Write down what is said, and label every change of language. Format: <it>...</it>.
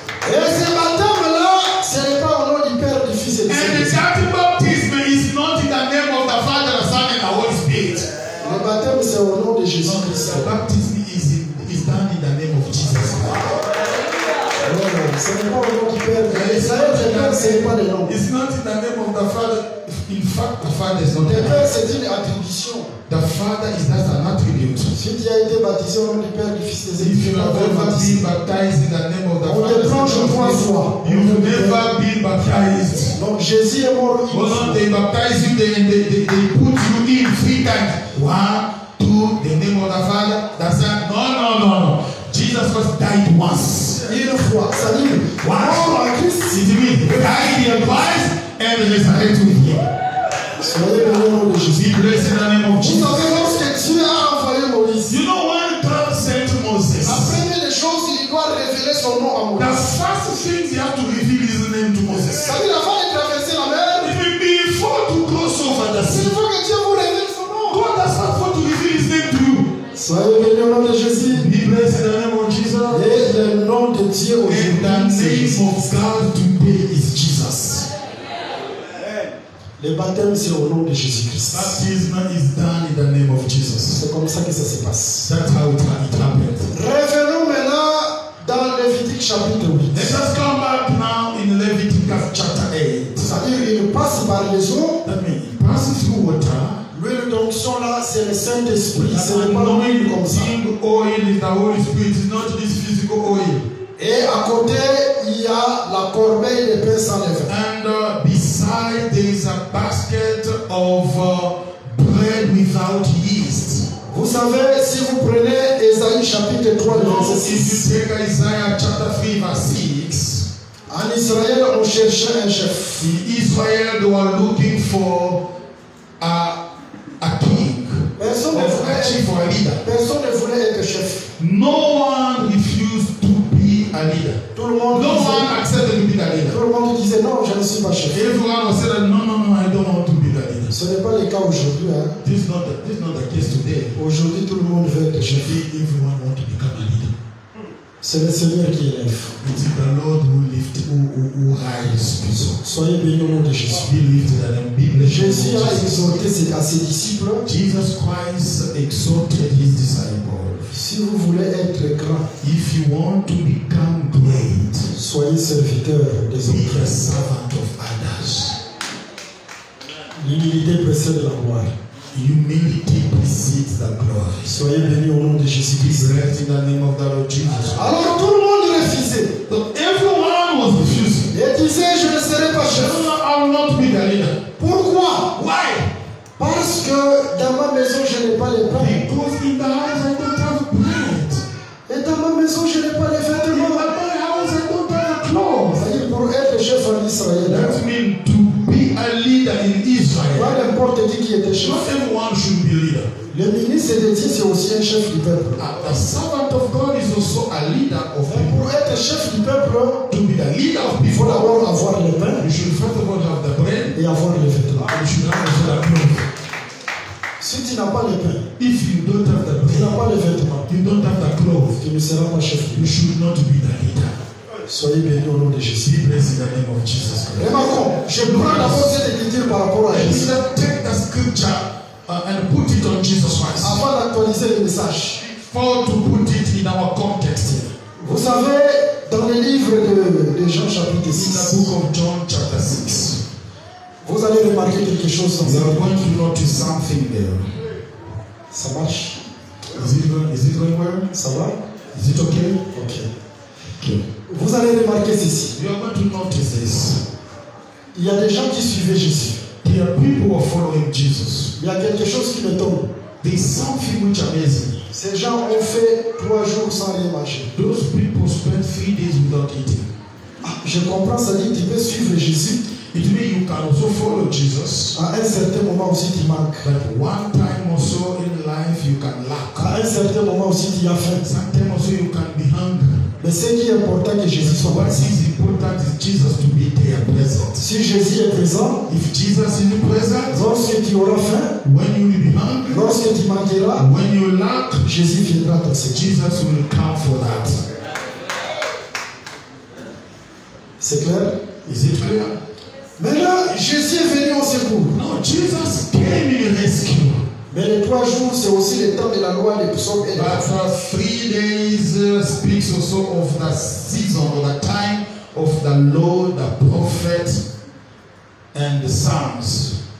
<fr>Et ce baptême-là, ce n'est pas au nom du Père, du Fils et du Saint-Esprit.</fr> <en>And the baptism is not in the name of the Father, the Son, and the Holy Spirit.</en> <fr>Le baptême, c'est au nom de Jésus-Christ.</fr> <en>The baptism is done in the name of Jesus.</en> <fr>Non, non, ce n'est pas au nom du Père, du Fils et du Saint-Esprit. Ce n'est pas le nom.</fr> <en>It's not in the name of the Father. In fact, the Father is not.</en> <fr>Le Père, c'est une attribution.</fr> <en>The Father is just an attribute.</en> <fr>Si tu as été baptisé au nom du Père, du Fils et du Saint-Esprit,</fr> <en>if you have never been baptized in the name of the Father,</en> <fr>on te prend trois fois.</fr> <en>You've never been baptized.</en> <fr>Donc Jésus est mort.</fr> <en>Well, they baptize you, they put you in three times. One, two, the name of the Father, the Son. No, no, no, no. Jesus was died once.</en> <fr>Une fois, ça dit.</fr> <en>Once. Oh, Christ. It means died twice. And resurrected him.</en> <fr>Soyez le nom de Jésus.</fr> <en>Be blessed in the name of Jesus.</en> <fr>Vous savez lorsque Dieu a envoyé Moïse.</fr> <en>You know when God sent Moses.</en> <fr>Après quelque chose, il doit révéler son nom à Moïse.</fr> <en>The first thing he had to reveal his name to Moses.</en> <fr>Ça veut dire avant de traverser la mer.</fr> <en>Even before to cross over the sea.</en> <fr>Il faut que Dieu vous révèle son nom.</fr> <en>God has not for to reveal his name to you.</en> <fr>Soyez le nom de Jésus.</fr> <en>Be blessed in the name of Jesus.</en> <fr>Et le nom de Dieu aujourd'hui.</fr> <en>And the name of God today is Jesus.</en> <fr>Le baptême c'est au nom de Jésus-Christ.</fr> <en>Baptism is done in the name of Jesus.</en> <fr>C'est comme ça que ça se passe.</fr> <en>That's how it happened.</en> <fr>Revenons maintenant dans Lévitique chapitre 8.</fr> <en>Let us come back now in Leviticus chapter 8.</en> <fr>C'est-à-dire il passe par les eaux.</fr> <en>That means he passes through water.</en> <fr>L'huile d'onction là, c'est le Saint-Esprit. Ce n'est pas l'huile comme ça.</fr> <en>The oil is the Holy Spirit, not this physical oil.</en> <fr>Et à côté, il y a la corbeille de pain sans levain.</fr> <en>And beside, there is a basket of bread without yeast.</en> <fr>Vous savez, si vous prenez Esaïe chapitre 3, verset 6.</fr> <en>If you take Isaiah chapter 3, verse 6.</en> <fr>En Israël, on cherchait un chef.</fr> <en>The Israel were looking for a king.</en> <fr>Personne ne voulait,</fr> <en>a chief or a leader.</en> <fr>Personne ne voulait être chef.</fr> <en>No one refused to a leader.</en> <fr>Tout le monde</fr> <en>no</en> <fr>disait,</fr> <en>one accepted to be the leader.</en> <fr>Tout le monde disait, non, je ne suis pas chef.</fr> <en>Everyone said, no, no, no, I don't want to be the leader.</en> <fr>Ce n'est pas le cas aujourd'hui. Hein?</fr> <en>This is not the case today.</en> <fr>Aujourd'hui, tout le monde veut être chef.</fr> <en>Everyone wants to become a leader.</en> <fr>C'est le Seigneur qui élève.</fr> <en>It is the Lord who lifts, who rises people.</en> <fr>Soyez bénis au nom de Jésus.</fr> <en>Be lifted and be blessed.</en> <fr>Jésus a exhorté à ses disciples.</fr> <en>Jesus Christ exhorted his disciples.</en> <fr>Si vous voulez être grand,</fr> <en>if you want to become great,</en> <fr>soyez serviteur des autres.</fr> <en>Be a servant of others.</en> <fr>L'humilité précède la gloire.</fr> <en>Humility precedes the glory.</en> <fr>Soyez bénis au nom de Jésus.</fr> <en>Be blessed in the name of the Lord Jesus.</en> <fr>Alors tout le monde refusait.</fr> <en>So everyone was refusing.</en> <fr>Et tu sais, je ne serai pas chef.</fr> <en>No, I will not be the leader.</en> <fr>Pourquoi?</fr> <en>Why?</en> <fr>Parce que dans ma maison, je n'ai pas les pains.</fr> <en>Because in the house, I don't have bread.</en> <fr>Et dans ma maison, je n'ai pas les vêtements.</fr> <en>In my house, I don't have clothes.</en> <fr>C'est-à-dire pour être chef en Israël.</fr> <en>That means to be a leader in Israel.</en> <fr>Pas n'importe qui était chef.</fr> <en>Not everyone should be a leader.</en> <fr>Le ministre de Dieu, c'est aussi un chef du peuple.</fr> <en>The servant of God is also a leader of people.</en> <fr>Pour être chef du peuple,</fr> <en>to be the leader of people,</en> <fr>il faut d'abord avoir les pains.</fr> <en>You should first of all have the bread.</en> <fr>Et avoir les vêtements.</fr> <en>You should have the clothes.</en> <fr>Si tu n'as pas les pains,</fr> <en>if you don't have the bread,</en> <fr>tu n'as pas les vêtements,</fr> <en>you don't have the clothes,</en> <fr>tu ne seras pas chef.</fr> <en>You should not be the leader.</en> <fr>Soyez bénis au nom de Jésus.</fr> <en>Be blessed in the name of Jesus Christ.</en> <fr>Remarquons, je prends d'abord cette écriture par rapport à Jésus.</fr> <en>Then take the scripture and put it on Jesus Christ.</en> <fr>Avant d'actualiser le message.</fr> <en>For to put it in our context.</en> <fr>Vous savez, dans le livre de Jean chapitre 6.</fr> <en>In the book of John chapter 6.</en> <fr>Vous allez remarquer quelque chose.</fr> <en>You are going to notice something there.</en> <fr>Ça marche?</fr> <en>Is it going well?</en> <fr>Ça va?</fr> <en>Is it okay?</en> <fr>Okay. Vous allez remarquer ceci.</fr> <en>You are going to notice this.</en> <fr>Il y a des gens qui suivaient Jésus.</fr> <en>There are people who are following Jesus.</en> <fr>Il y a quelque chose qui me tombe.</fr> <en>There is something which amazes me.</en> <fr>Ces gens ont fait 3 jours sans rien manger.</fr> <en>Those people spent 3 days without eating.</en> <fr>Ah, je comprends, ça dit, tu peux suivre Jésus.</fr> <en>It means you can also follow Jesus.</en> <fr>À un certain moment aussi, tu manques.</fr> <en>But one time or so in life, you can lack.</en> <fr>À un certain moment aussi, tu as faim.</fr> <en>Sometimes also you can be hungry.</en> <fr>Mais ce qui est important, que Jésus soit présent.</fr> <en>What is important is Jesus to be there present.</en> <fr>Si Jésus est présent,</fr> <en>if Jesus is present,</en> <fr>lorsque tu auras faim,</fr> <en>when you will be hungry,</en> <fr>lorsque tu manqueras,</fr> <en>when you lack,</en> <fr>Jésus viendra te chercher.</fr> <en>Jesus will come for that.</en> <fr>C'est clair?</fr> <en>Is it clear?</en> <fr>Mais là, Jésus est venu en secours.</fr> <en>No, Jesus came in rescue.</en> <fr>Mais les 3 jours, c'est aussi le temps de la loi, des psaumes et des.</fr> <en>But 3 days speaks also of the season or the time of the law, the prophet, and the psalms.</en>